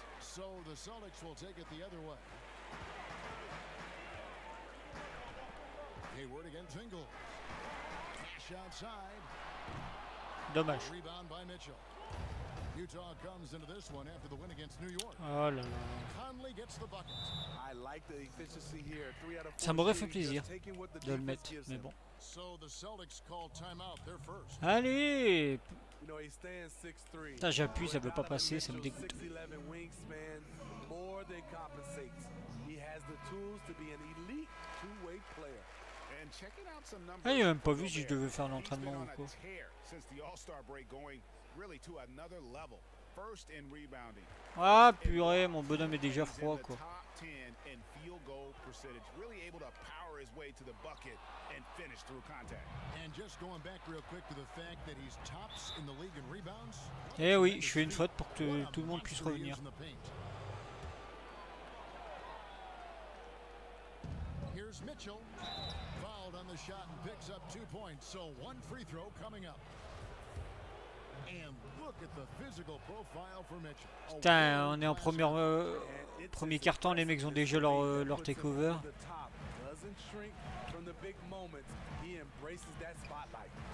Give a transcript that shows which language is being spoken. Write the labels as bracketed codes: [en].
[en] So the Celtics will take it the other way. Hayward against Engel. Cash outside. [fr] Dommage. [en] Rebound by Mitchell. Utah comes into this one after the win against New York. [fr] Oh là là. [en] Conley gets the bucket. I like the efficiency here. [fr] Ça m'aurait fait plaisir de le mettre, mais bon. [en] So the Celtics call timeout. They're first. [fr] Allez. [en] You know, he stands 6'3. [fr] Putain, j'appuie, ça veut pas passer, ça me dégoûte. [en] 6'11 wingspan, more than compensates. He has the tools to be an elite two-way player. And checking out some numbers. [fr] Ah, il a même pas vu si je devais faire l'entraînement ou quoi. [en] Since the All-Star break going really to another level. First in rebounding. [fr] Ah purée, mon bonhomme est déjà froid quoi. [en] Top 10 in field goal percentage, really able to power his way to the bucket and finish through contact. And just going back real quick to the fact that he's tops in the league in rebounds. [fr] Eh oui, je fais une faute pour que tout le monde puisse revenir. [en] Here's Mitchell, fouled on the shot and picks up 2 points, so one free throw coming up. And look at the physical profile for Mitchell. [fr] Putain, on est en premier carton, les mecs ont déjà leur takeover. [en] Doesn't shrink from the big moments, he embraces that spotlight.